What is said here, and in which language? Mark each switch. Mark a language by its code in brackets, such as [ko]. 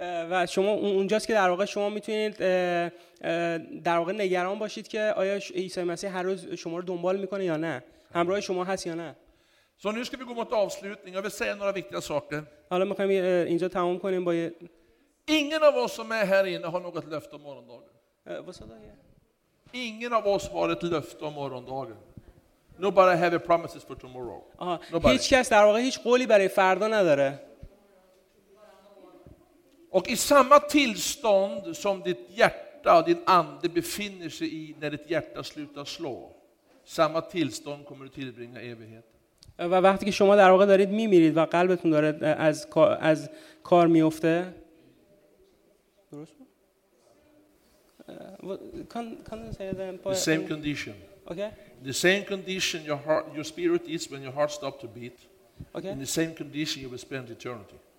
[fa] و شما اونجاست که در واقع شما میتونید در واقع نگران باشید که آیا عیسی مسیح هر روز شما رو دنبال میکنه یا نه، همراه شما هست یا نه. [sv] Så nu ska vi gå mot avslutning. Jag vill säga några viktiga saker. Alla men kan vi inte ta om kunna börja. Ingen av oss som är här inne har något löfte om morgondagen. Vad sa du? Ingen av oss har ett löfte om morgondagen. [en] Nobody have a promises for tomorrow. Nobody. [fa] هیچ کس در واقع هیچ قولی برای فردا نداره. [sv] Och i samma tillstånd som ditt hjärta och din ande befinner sig i när ditt hjärta slutar slå, samma tillstånd kommer du tillbringa evigheten. [fa] و وقتی که شما در واقع دارید میمیرید و قلبتون داره از کار میفته درست بود؟ [en] Can you say that? The same condition. Okay. The same condition your heart, your spirit is when your heart stops to beat. Okay. In the same condition you will spend eternity.